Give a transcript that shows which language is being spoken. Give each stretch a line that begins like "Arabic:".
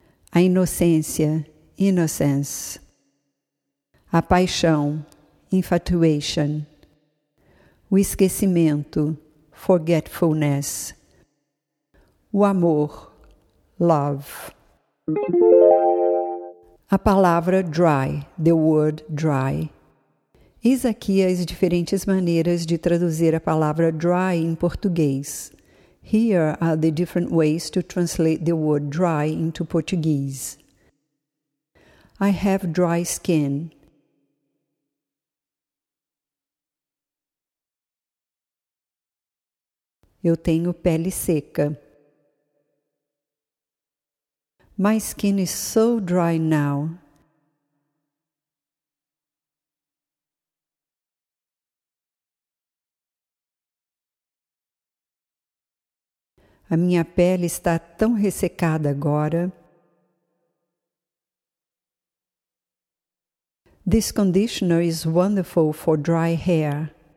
Portuguese: a inocência, innocence, a paixão, infatuation, o esquecimento, forgetfulness, o amor, love. A palavra dry,
English: the word dry.
Portuguese: Eis aqui as diferentes maneiras de traduzir a palavra dry em português.
English: Here are the different ways to translate the word dry into Portuguese. I have dry skin.
Portuguese: Eu tenho pele seca.
English: My skin is so dry now.
Portuguese: A minha pele está tão ressecada agora.
English: This conditioner is wonderful for dry hair.